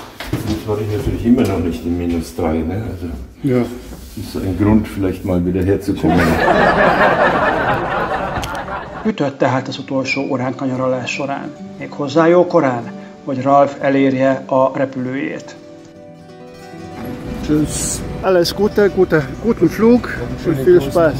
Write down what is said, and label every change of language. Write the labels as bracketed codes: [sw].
[de] Das war ich natürlich immer noch nicht in minus 3, ne? Also ja. Ist ein Grund, vielleicht mal wieder herzukommen. [hu] Ütött tehát az utolsó óránkanyarolás során, még hozzá jó korán, hogy Ralf elérje a repülőjét. [de] Tschüss. Alles Gute, guten Flug und viel Spaß.